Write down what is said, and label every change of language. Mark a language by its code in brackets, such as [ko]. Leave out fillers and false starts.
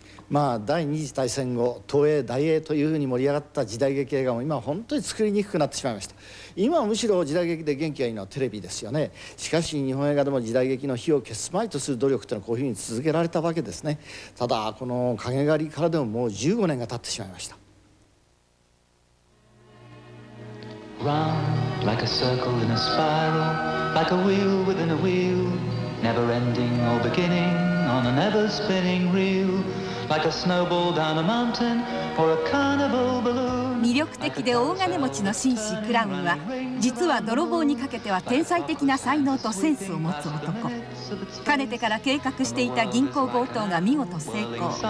[ja] まあ第二次大戦後東映大映というふうに盛り上がった時代劇映画も今本当に作りにくくなってしまいました。今はむしろ時代劇で元気がいいのはテレビですよね。しかし日本映画でも時代劇の火を消すまいとする努力というのはこういうふうに続けられたわけですね。ただこの影狩りからでももう15年が経ってしまいました。 [en] Round like a circle in a spiral, like a wheel within a wheel, never ending or beginning on an ever spinning reel, like a snowball down a mountain or a carnival balloon. [ja] 魅力的で大金持ちの紳士クラウンは、実は泥棒にかけては天才的な才能とセンスを持つ男。かねてから計画していた銀行強盗が見事成功。